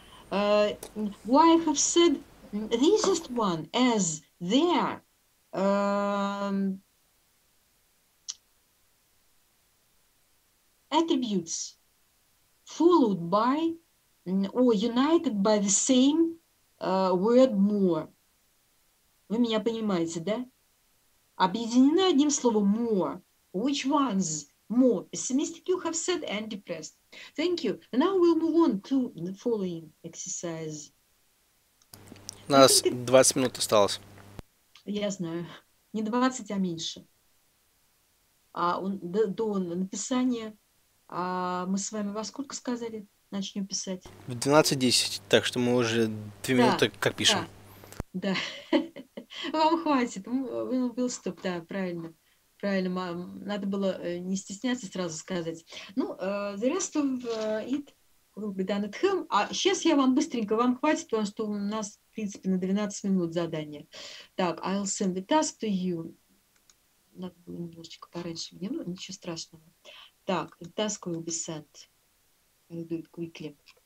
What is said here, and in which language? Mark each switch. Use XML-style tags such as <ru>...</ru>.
<en>Why I have said the easiest one as there. Attributes followed by or united by the same word more.</en> <ru>Вы меня понимаете, да? Объединены одним словом more.</ru> <en>Which ones? More. Pessimistic you have said and depressed. Thank you. And now we'll move on to the following exercise.</en> <ru>У нас 20 минут осталось. Я знаю. Не 20, а меньше. А до написания мы с вами во сколько сказали? Начнем писать. В 12:10, так что мы уже 2 минуты как пишем. Да. Вам хватит.</ru> <en>Will stop,</en> <ru>да, правильно. Правильно, надо было не стесняться сразу сказать.</ru> <en>Ну,</en> <ru>the rest of it will be done at home. А сейчас я вам быстренько, вам хватит, потому что у нас, в принципе, на 12 минут задание. Так,</ru> <en>I'll send the task to you.</en> <ru>Надо было немножечко пораньше мне, ну, ничего страшного. Так,</ru> <en>the task will be sent. I'll do it quickly.</en>